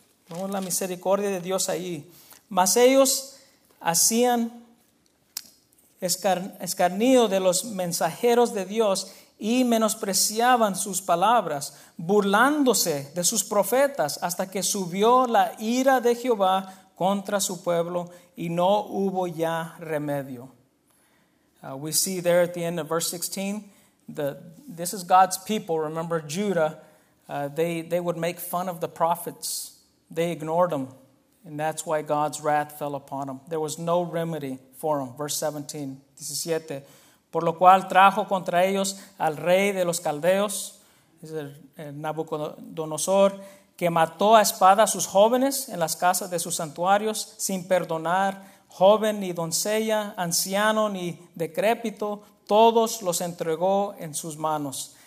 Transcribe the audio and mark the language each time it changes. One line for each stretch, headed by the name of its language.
Spanish: Vemos la misericordia de Dios ahí. Mas ellos hacían escarnio de los mensajeros de Dios y menospreciaban sus palabras, burlándose de sus profetas, hasta que subió la ira de Jehová contra su pueblo y no hubo ya remedio.
English: We see there at the end of verse 16, this is God's people. Remember Judah, they would make fun of the prophets. They ignored them, and that's why God's wrath fell upon them. There was no remedy for them. Verse 17.
Spanish: Por lo cual trajo contra ellos al rey de los caldeos, Nabucodonosor, que mató a espada a sus jóvenes en las casas de sus santuarios, sin perdonar joven ni doncella, anciano ni decrépito, todos los entregó en sus manos.